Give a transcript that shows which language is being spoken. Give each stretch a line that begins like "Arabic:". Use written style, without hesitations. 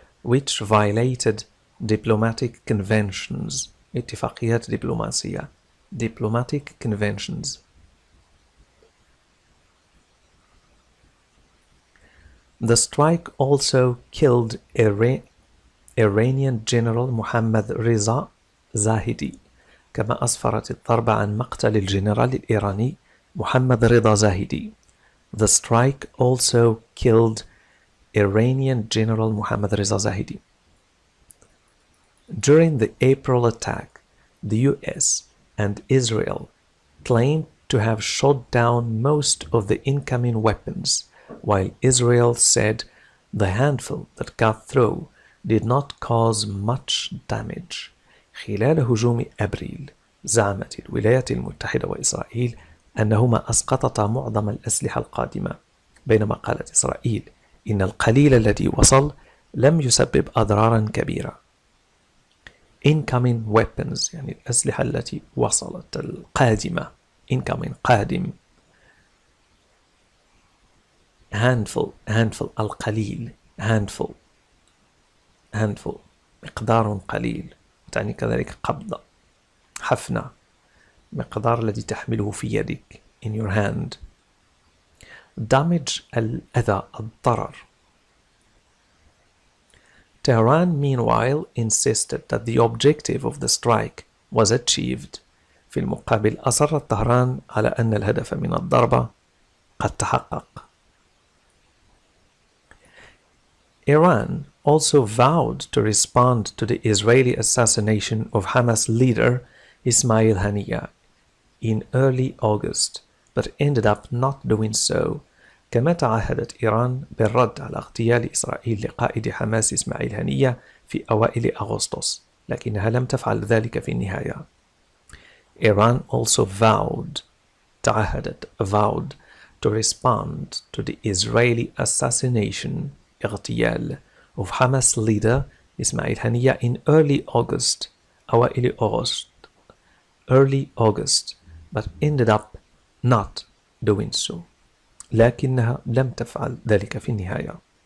English: Which violated diplomatic conventions
Arabic: اتفاقيات دبلوماسية
English: diplomatic conventions The strike also killed Iranian General Mohammad Reza Zahidi.
Arabic: كما أسفرت الضربة عن مقتل الجنرال الإيراني محمد رضا زاهدي.
English: The strike also killed Iranian General Mohammad Reza Zahidi. During the April attack, the US and Israel claimed to have shot down most of the incoming weapons, while Israel said the handful that got through did not cause much damage.
Arabic: خلال هجوم أبريل، زعمت الولايات المتحدة وإسرائيل أنهما أسقطتا معظم الأسلحة القادمة، بينما قالت إسرائيل إن القليل الذي وصل لم يسبب أضرارا كبيرة.
English: Incoming weapons
Arabic: يعني الأسلحة التي وصلت القادمة. Incoming قادم.
English: Handful handful القليل.
Arabic: Handful handful مقدار قليل تعني كذلك قبضة حفنة مقدار الذي تحمله في يدك.
English: In your hand. Damage
Arabic: الأذى الضرر.
English: Tehran, meanwhile, insisted that the objective of the strike was achieved.
Arabic: في المقابل أصرت طهران على أن الهدف من الضربة قد تحقق.
English: Iran also vowed to respond to the Israeli assassination of Hamas leader Ismail Haniyeh in early August, but ended up not doing so.
Arabic: كما تعهدت إيران بالرد على اغتيال إسرائيل لقائد حماس إسماعيل هنية في أوائل أغسطس، لكنها لم تفعل ذلك في النهاية.
English: Iran also vowed تعهدت vowed to respond to the Israeli assassination اغتيال of Hamas leader Ismail Haniyeh in early August
Arabic: أوائل أغسطس
English: early August but ended up not doing so
Arabic: لكنها لم تفعل ذلك في النهاية.